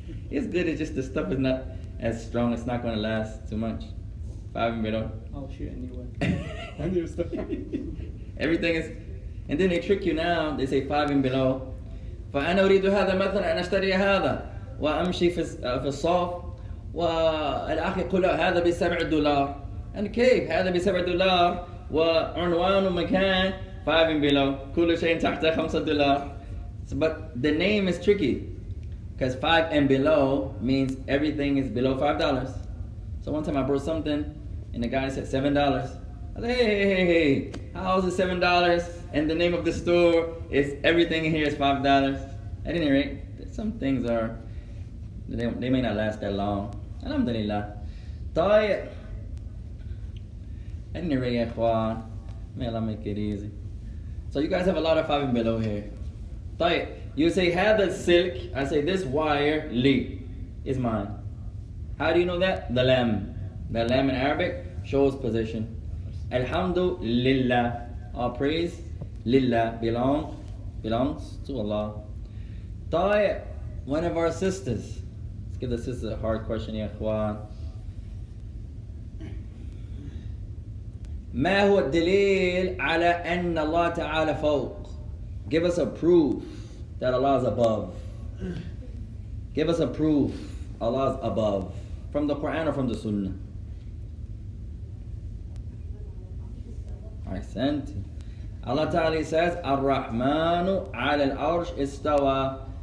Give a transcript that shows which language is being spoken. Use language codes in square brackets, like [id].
[en] It's good, it's just the stuff is not as strong, it's not going to last too much. 5 middle. I'll shoot a new one. And you're stuck. Everything is. And then they trick you now, they say 5 and below. [ar] فأنا أريد هذا مثلا أن أشتري هذا وأمشي في الصوف والأخ يقول هذا بسبع دولار and كيف هذا بسبع دولار وعنوان ومكان 5 and below كل شيء تحت 5 دولار [en] so, but the name is tricky because 5 and below means everything is below $5. So one time I brought something and the guy said $7. I said, hey, how is it $7? And the name of the store is everything here is $5. At any rate, some things are, they may not last that long. Alhamdulillah. طيب. At any rate, ikhwan, may Allah make it easy. So you guys have a lot of five and below here. طيب. You say, have the silk. I say, this wire, li, is mine. How do you know that? The lam. The lam in Arabic shows position. Alhamdulillah, all praise, lillah, belongs to Allah. طيب, one of our sisters, let's give the sister a hard question, ya akhwan. [ar] ما هو الدليل على أن الله تعالى فوق? [en] Give us a proof that Allah is above. Give us a proof Allah is above, from the Quran or from the Sunnah. I sent Allah Ta'ala says Ar-Rahmanu ala al-Arsh istawa.